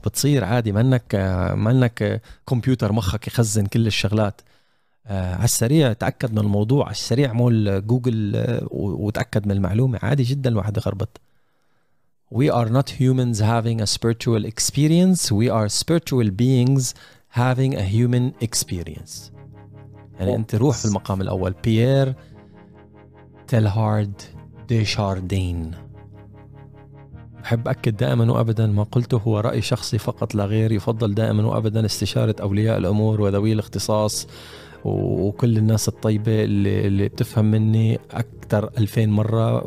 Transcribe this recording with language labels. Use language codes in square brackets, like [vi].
[ar] بتصير عادي, منك كمبيوتر مخك يخزن كل الشغلات على السريع. تأكد من الموضوع على السريع, مول جوجل وتأكد من المعلومة. عادي جدا الواحد يخربط. [en] We are not humans having a spiritual experience, we are spiritual beings having a human experience. [ar] يعني أنت روح في المقام الأول. بيير تيلارد دي شاردين. أحب أكد دائما وأبدا ما قلته هو رأي شخصي فقط لا غير. يفضل دائما وأبدا استشارة أولياء الأمور وذوي الاختصاص وكل الناس الطيبة اللي بتفهم مني أكثر 2000 مرة.